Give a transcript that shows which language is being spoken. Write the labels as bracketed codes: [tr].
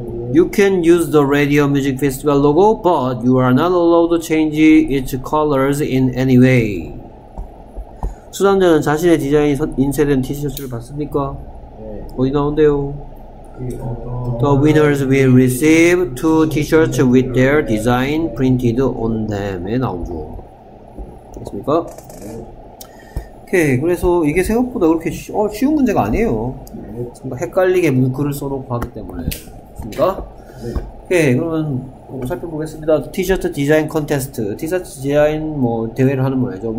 [en] You can use the Radio Music Festival logo, but you are not allowed to change its colors in any way. [ko] 수상자는 자신의 디자인이 인쇄된 티셔츠를 받습니까? 어디 나온대요? [en] The winners will receive two t-shirts with their design printed on them에 [ko] 나오죠. 됐습니까? 오케이. 그래서 이게 생각보다 그렇게 쉬운 문제가 아니에요. 헷갈리게 문구를 써놓고 하기 때문에. 됐습니까? 오케이. 그러면 살펴보겠습니다. 티셔츠 디자인 컨테스트. 티셔츠 디자인 뭐 대회를 하는 거예요.